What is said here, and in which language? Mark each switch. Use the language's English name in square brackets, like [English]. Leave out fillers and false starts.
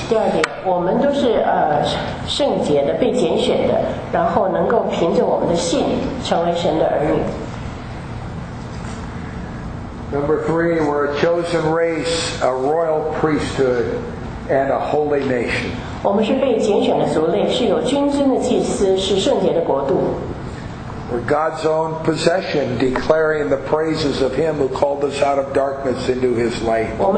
[Chinese] 第二点，我们都是圣洁的，被拣选的，然后能够凭着我们的信成为神的儿女。 [English] Number three, we're a chosen race, a royal priesthood, and a holy nation. [Chinese] 我们是被拣选的族类，是有君尊的祭司，是圣洁的国度。 [English] We're God's own possession, declaring the praises of him who called us out of darkness into his light.